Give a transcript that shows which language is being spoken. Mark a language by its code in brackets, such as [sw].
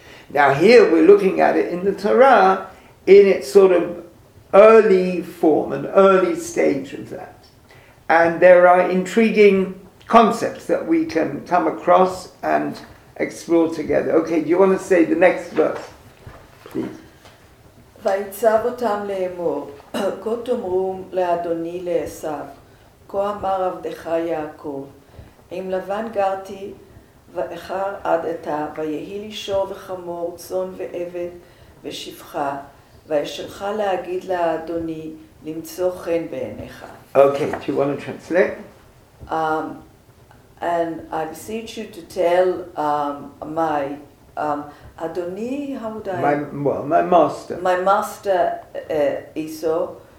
[en] Now here we're looking at it in the Torah in its sort of early form, an early stage of that. And there are intriguing concepts that we can come across and explore together. Okay, do you want to say the next verse, please? [he] ויצב אותם לאמור, כה תאמרו לאדוני לעשיו, כה אמר עבדך יעקב, עם לבן גרתי ואחר עד עתה, ויהי לי שור וחמור, צאן ועבד ושפחה, ואשלחה להגיד לאדוני למצוא חן בעיניך. [en] Okay, do you want to translate? And I beseech you to tell my Adoni, how would I? My master. My master, Esau.